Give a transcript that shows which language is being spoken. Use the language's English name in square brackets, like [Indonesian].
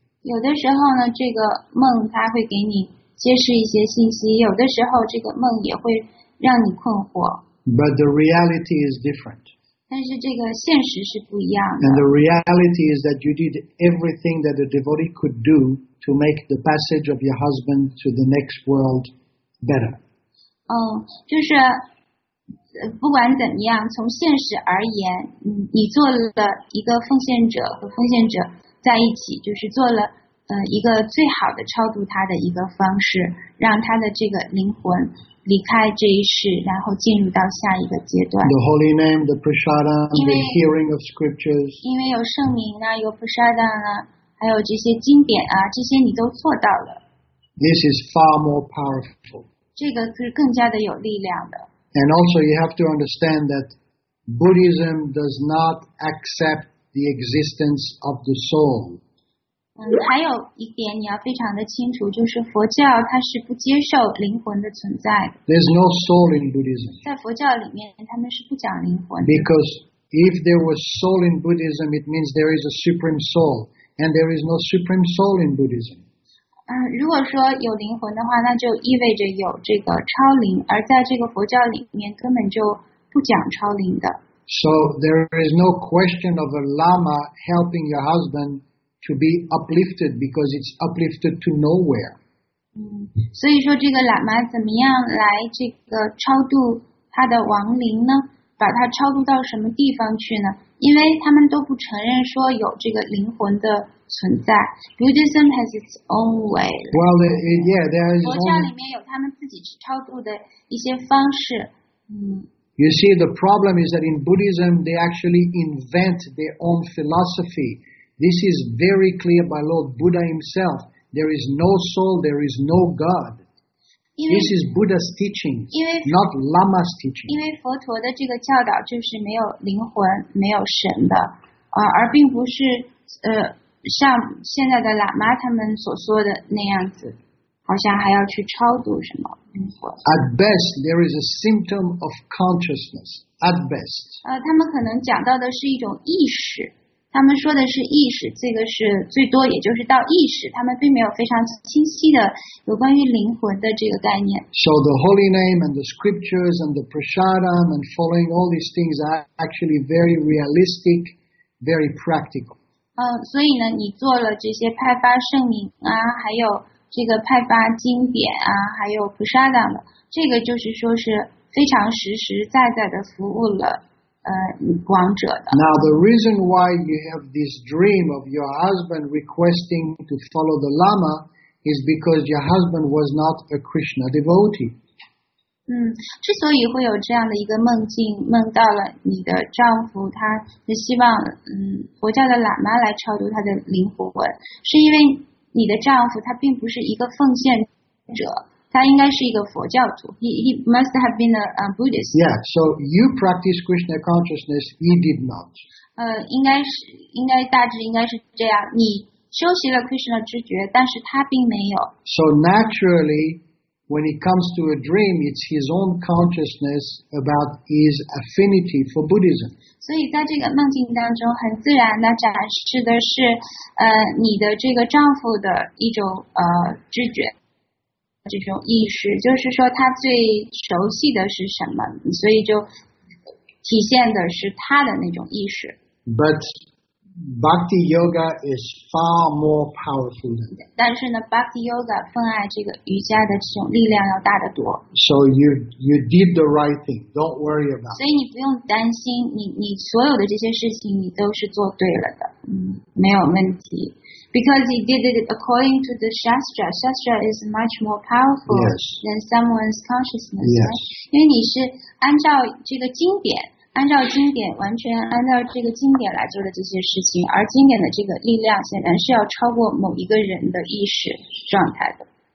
[Chinese] 有的时候呢，这个梦它会给你揭示一些信息，有的时候这个梦也会让你困惑。 [English] But the reality is different. [Chinese] 但是这个现实是不一样的。 [English] And the reality is that you did everything that a devotee could do to make the passage of your husband to the next world better. [Chinese] 就是不管怎么样，从现实而言，你做了一个奉献者和奉献者在一起，就是做了一个最好的超度他的一个方式，让他的这个灵魂离开这一世，然后进入到下一个阶段。 [English] The holy name, the prasadam, the hearing of scriptures. [Chinese] 因为有圣名啊，有 prasadam 啊，还有这些经典啊，这些你都做到了。 [English] This is far more powerful. [Chinese] 这个是更加的有力量的。 [English] And also you have to understand that Buddhism does not accept the existence of the soul. [Chinese] 还有一点你要非常的清楚，就是佛教它是不接受灵魂的存在。 [English] There's no soul in Buddhism. [Chinese] 在佛教里面他们是不讲灵魂的。 [English] Because if there was soul in Buddhism, it means there is a supreme soul. And there is no supreme soul in Buddhism. [Chinese] 如果说有灵魂的话，那就意味着有这个超灵，而在这个佛教里面根本就不讲超灵的。 [English] So there is no question of a lama helping your husband to be uplifted because it's uplifted to nowhere. [Chinese] 所以说这个喇嘛怎么样来这个超度他的亡灵呢？把他超度到什么地方去呢？因为他们都不承认说有这个灵魂的存在。 [English] Buddhism has its own way. Well, yeah, there is. [Chinese] 佛教里面有他们自己去超度的一些方式。 [English] You see, the problem is that in Buddhism, they actually invent their own philosophy. This is very clear by Lord Buddha himself. There is no soul, there is no God. This is Buddha's teaching, not Lama's teaching. [Chinese] 因为佛陀的这个教导就是没有灵魂、没有神的，而并不是像现在的喇嘛他们所说的那样子，好像还要去超度什么灵魂。 [English] At best, there is a symptom of consciousness. At best. [Chinese] 他们可能讲到的是一种意识，他们说的是意识，这个是最多也就是到意识，他们并没有非常清晰的有关于灵魂的这个概念。 [English] So the holy name and the scriptures and the prasadam and following all these things are actually very realistic, very practical. [Chinese] 所以呢，你做了这些派发圣名啊，还有这个派发经典啊，还有菩萨等的，这个就是说是非常实实在在的服务了亡者的。 [English] Now the reason why you have this dream of your husband requesting to follow the Lama is because your husband was not a Krishna devotee. [Chinese] 之所以会有这样的一个梦境，梦到了你的丈夫，他是希望佛教的喇嘛来超度他的灵魂，是因为你的丈夫他并不是一个奉献者，他应该是一个佛教徒。 [English] He must have been a Buddhist. Yeah. So you practice Krishna consciousness. He did not. [Chinese] 应该大致应该是这样。你修习了 Krishna 知觉，但是他并没有。 [English] So naturally. When it comes to a dream, it's his own consciousness about his affinity for Buddhism. [Chinese] 所以在这个梦境当中，很自然的展示的是，你的这个丈夫的一种知觉，这种意识，就是说他最熟悉的是什么，所以就体现的是他的那种意识。 [English] But Bhakti Yoga is far more powerful than that. [Chinese] 但是呢 ，Bhakti Yoga 奉爱这个瑜伽的这种力量要大得多。 [English] So you did the right thing. Don't worry about it. [Chinese] 所以你不用担心，你所有的这些事情你都是做对了的，没有问题。 [English] Because you did it according to the shastra. Shastra is much more powerful than someone's consciousness. Yes. Right? [Chinese] 因为你是按照这个经典。按照经典，完全按照这个经典来做的这些事情，而经典的这个力量显然是要超过某一个人的意识状态的。